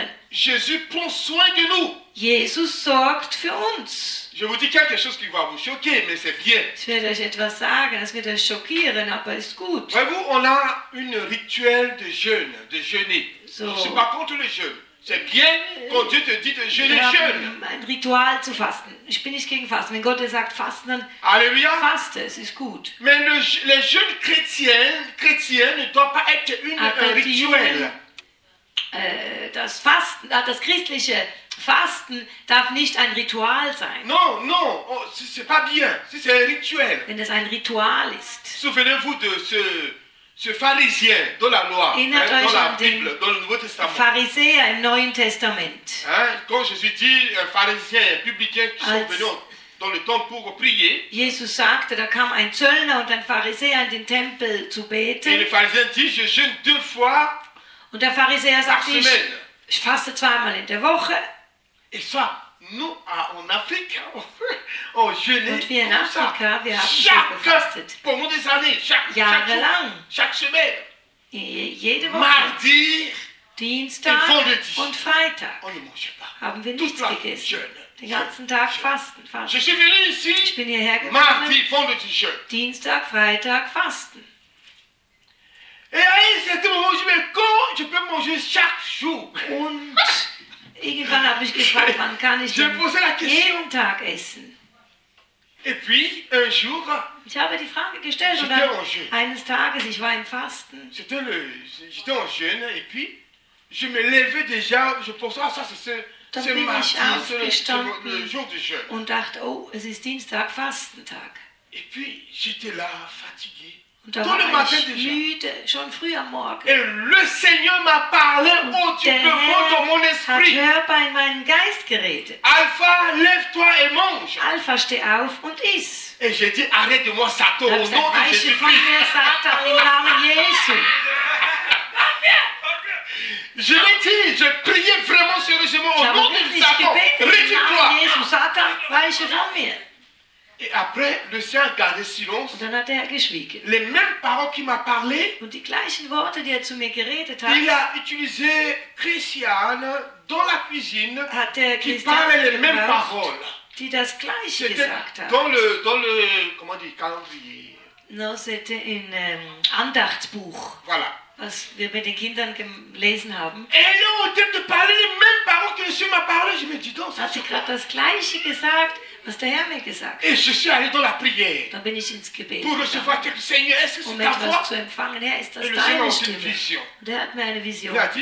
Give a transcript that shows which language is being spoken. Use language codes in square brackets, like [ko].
[fr] Jésus prend soin de nous. [de] Jesus sorgt für uns. [fr] Je vous dis quelque chose qui va vous choquer, mais c'est bien. [de] Ich werde euch etwas sagen, das wird euch schockieren, aber ist gut. [fr] Voyez-vous, on a une rituelle de jeûne, de jeûner. [de] So. [fr] Je suis pas contre le jeûne. C'est bien quand Dieu te dit de jeûner, jeûne. [de] Ein Ritual zu fasten. Ich bin nicht gegen Fasten. Wenn Gott sagt, fasten, dann Alleluia. Faste, es ist gut. [fr] Mais le jeûne chrétien ne doit pas être un rituel. [de] Das christliche Fasten darf nicht ein Ritual sein. [fr] Non, oh, c'est pas bien. C'est un rituel. [de] Wenn es ein Ritual ist. [fr] Souvenez-vous de ce pharisien dans la loi, hein, dans la Bible, [de] den [fr] dans le Nouveau Testament. [de] Pharisäer im Neuen Testament. [fr] Hein, quand Jésus dit un pharisien, un publicain qui sont venus dans le temple pour prier. [de] Jesus sagte, da kam ein Zöllner und ein Pharisäer in den Tempel zu beten. [fr] Et le pharisien dit, je jeûne deux fois. [de] Und der Pharisäer sagt, ich faste zweimal in der Woche. [fr] Et ça, nous, en Afrique, on jeûne. [de] Und wir in Afrika, wir haben schon gefastet. [fr] Pendant des années, [de] jahrelang. [fr] Chaque semaine. [de] Jede Woche. [fr] Mardi, [de] Dienstag und Freitag. [fr] On ne mangeait pas. [de] Haben wir nichts gegessen. [fr] Jeûne. [de] Den ganzen Tag fasten. [fr] Je suis venu ici. [de] Ich bin hierher gekommen. [fr] Mardi, vendredi, jeûne. [de] Dienstag, Freitag, fasten. [fr] Et à un certain moment, je me dis, comment je peux manger chaque jour? [de] Irgendwann habe ich gefragt, wann kann ich jeden Tag essen? [fr] Et puis, un jour, [de] ich habe die Frage gestellt, und dann, eines Tages, ich war im Fasten. [fr] J'étais en jeûne, et puis, je me levais déjà, je pensais, ah, ça, c'est [de] Mardi, bin ich aufgestanden [fr] le jour du jeûne. [de] Und dachte, oh, es ist Dienstag, Fastentag. [fr] Et puis, j'étais là, fatigué. [de] Und da war ich müde, schon früh am Morgen. [fr] Et le Seigneur m'a parlé, oh, tu peux monter dans mon esprit. [de] Hat Herr bei meinem Geist geredet. [fr] Alpha, lève-toi et mange. [de] Alpha, steh auf und iss. [fr] Et j'ai dit, arrête-moi, Satan, au nom de Jésus-Christ. [de] Satan, im Namen Jesu. [fr] Je l'ai dit, je priais vraiment sérieusement au nom de Satan. Retire-toi. [de] Satan, weiche von mir. [fr] Et après, le Seigneur a gardé silence. [de] Und dann hat er geschwiegen. [fr] Les mêmes paroles qu'il m'a parlé. [de] Und die gleichen Worte, die er zu mir geredet hat. [fr] Il a utilisé Christiane dans la cuisine. [de] Hat er [fr] qui parlait les mêmes paroles. [de] Die das gleiche gesagt hat. [fr] Dans le comment dire, calendrier. Non, c'était un Andachtsbuch. Voilà. [de] Was wir mit den Kindern gelesen haben. Hat sie gerade das Gleiche gesagt, was der Herr mir gesagt hat. Dann bin ich ins Gebet gegangen. Um etwas zu empfangen. Herr, ist das deine Stimme? Und er hat mir eine Vision